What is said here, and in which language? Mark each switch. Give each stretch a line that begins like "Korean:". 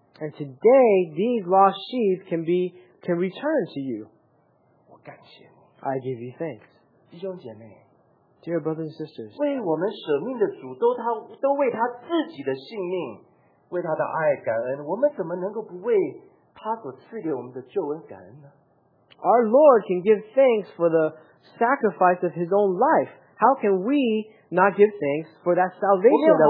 English: and today, these lost sheep can return to you.
Chinese: 我感谢你。
English: I give you thanks.
Chinese: 弟兄姐妹,
English: Dear brothers and sisters,
Chinese: 为我们舍命的主都为他自己的性命，为他的爱感恩，我们怎么能够不为他所赐给我们的救恩感恩呢？
English: Our Lord can give thanks for the sacrifice of His own life. How can we not give thanks for that salvation that